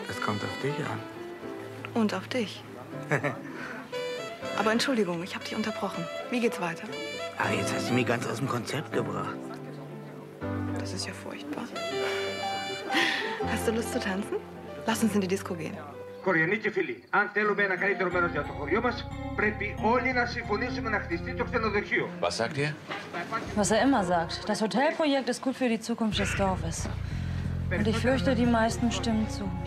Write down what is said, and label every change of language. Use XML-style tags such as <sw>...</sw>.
<de>Es kommt auf dich an. Und auf dich. Aber Entschuldigung, ich habe dich unterbrochen. Wie geht's weiter? Ah, jetzt hast du mich ganz aus dem Konzept gebracht. Das ist ja furchtbar. Hast du Lust zu tanzen? Lass uns in die Disco gehen.</de> <el>Korianici Fili, an θέλουμε ένα καλύτερο μέρος για το χωριό μας, πρέπει όλοι να συμφωνήσουμε να χτιστεί το ξενοδοχείο.</el> <de>Was sagt ihr? Was er immer sagt. Das Hotelprojekt ist gut für die Zukunft des Dorfes. Und ich fürchte, die meisten stimmen zu.</de>